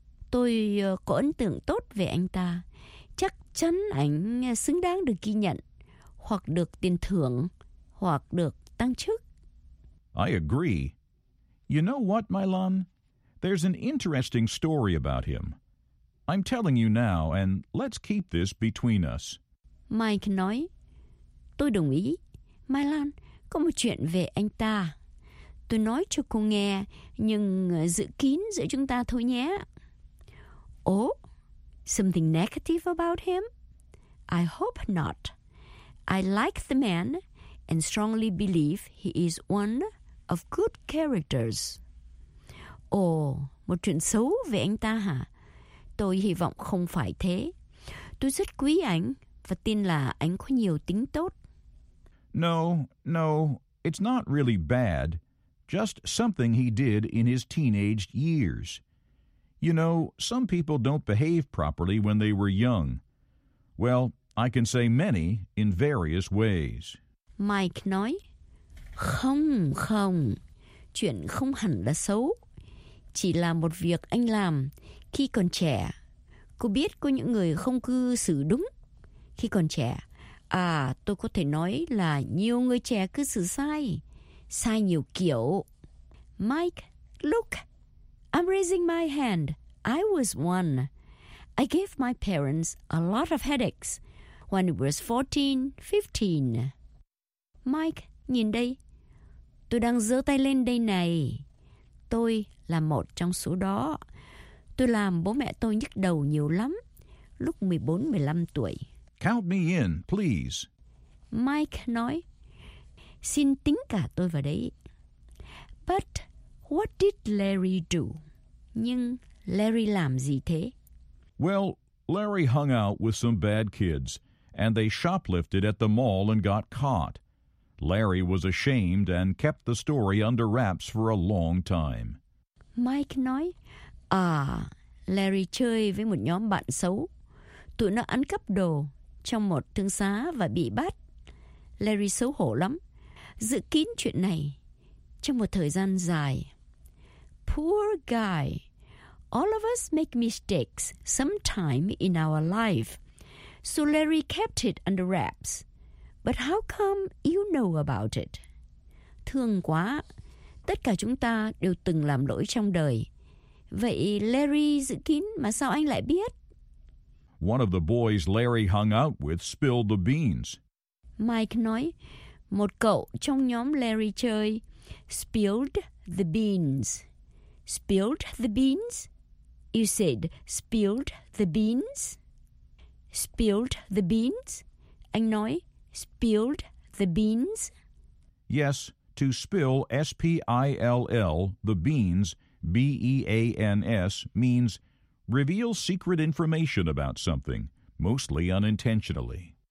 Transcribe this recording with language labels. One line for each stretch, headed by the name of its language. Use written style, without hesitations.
Vietnamese: Tôi có ấn tượng tốt về anh ta. Chắc chắn anh xứng đáng được ghi nhận, hoặc được tiền thưởng, hoặc được tăng chức.
English: I agree. You know what, Mylon? There's an interesting story about him. I'm telling you now, and let's keep this between us.
Vietnamese: Mike nói, tôi đồng ý. Mylon, có một chuyện về anh ta. Tôi nói cho cô nghe, nhưng giữ kín giữa chúng ta thôi nhé.
English: Oh, something negative about him? I hope not. I like the man and strongly believe he is one of good characters.
Vietnamese: Oh, một chuyện xấu về anh ta hả? Tôi hy vọng không phải thế. Tôi rất quý anh và tin là anh có nhiều tính tốt.
English: No, no, it's not really bad. Just something he did in his teenage years. You know, some people don't behave properly when they were young. Well, I can say many in various ways.
Vietnamese: Mike nói, không, không, chuyện không hẳn là xấu. Chỉ là một việc anh làm khi còn trẻ. Cô biết có những người không cư xử đúng khi còn trẻ. À, tôi có thể nói là nhiều người trẻ cư xử sai, sai nhiều kiểu.
English: Mike, look. I'm raising my hand. I was one. I gave my parents a lot of headaches when I was 14, 15.
Vietnamese: Mike, nhìn đây. Tôi đang giơ tay lên đây này. Tôi là một trong số đó. Tôi làm bố mẹ tôi nhức đầu nhiều lắm, lúc 14, 15 tuổi.
English: Count me in, please.
Vietnamese: Mike nói, xin tính cả tôi vào đấy.
English: But what did Larry do?
Vietnamese: Nhưng Larry làm gì thế?
English: Well, Larry hung out with some bad kids, and they shoplifted at the mall and got caught. Larry was ashamed and kept the story under wraps for a long time.
Vietnamese: Mike nói, à, Larry chơi với một nhóm bạn xấu. Tụi nó ăn cắp đồ trong một thương xá và bị bắt. Larry xấu hổ lắm, giữ kín chuyện này trong một thời gian dài.
English: Poor guy. All of us make mistakes sometime in our life. So Larry kept it under wraps. But how come you know about it?
Vietnamese: Thương quá. Tất cả chúng ta đều từng làm lỗi trong đời. Vậy Larry giữ kín mà sao anh lại biết?
English: One of the boys Larry hung out with spilled the beans.
Vietnamese: Mike nói, một cậu trong nhóm Larry chơi
English: spilled the beans. Spilled the beans? You said spilled the beans? Spilled the beans?
Vietnamese: Anh nói,
English: spilled the beans? Yes, to spill, S-P-I-L-L, the beans, BEANS, means reveal secret information about something, mostly unintentionally.